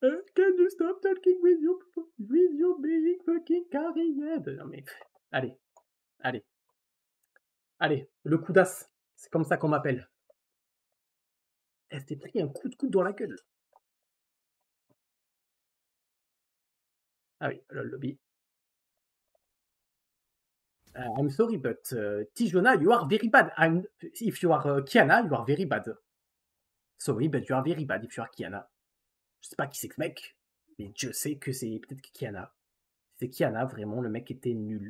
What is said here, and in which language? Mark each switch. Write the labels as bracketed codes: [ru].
[en] Can you stop talking with your being fucking carried? [fr] Non mais, allez, allez, allez, le coup d'as, c'est comme ça qu'on m'appelle. Elle s'est pris un coup de coude dans la gueule. Ah oui, le lobby. [en] I'm sorry, but Tijona, you are very bad. If you are Kiana, you are very bad. Sorry, but you are very bad if you are Kiana. [fr] Je sais pas qui c'est ce mec, mais je sais que c'est peut-être Kiana. C'est Kiana, vraiment, le mec était nul.